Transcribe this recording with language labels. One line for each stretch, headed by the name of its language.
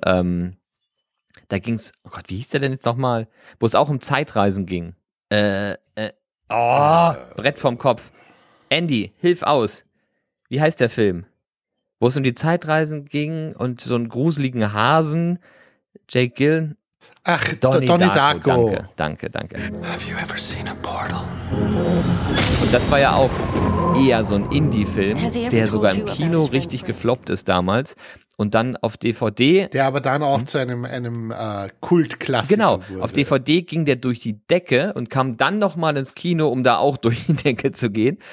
German: Da ging's, oh Gott, wie hieß der denn jetzt nochmal? Wo es auch um Zeitreisen ging. Brett vorm Kopf. Andy, hilf aus. Wie heißt der Film? Wo es um die Zeitreisen ging und so einen gruseligen Hasen, Jake Gillen. Ach, Donnie Darko. Danke.
English: Have you ever seen a portal?
German: Und das war ja auch eher so ein Indie-Film, der sogar im Kino richtig gefloppt ist damals. Und dann auf DVD. Der aber dann auch zu einem Kultklassiker. Genau, wurde. Auf DVD ging der durch die Decke und kam dann nochmal ins Kino, um da auch durch die Decke zu gehen.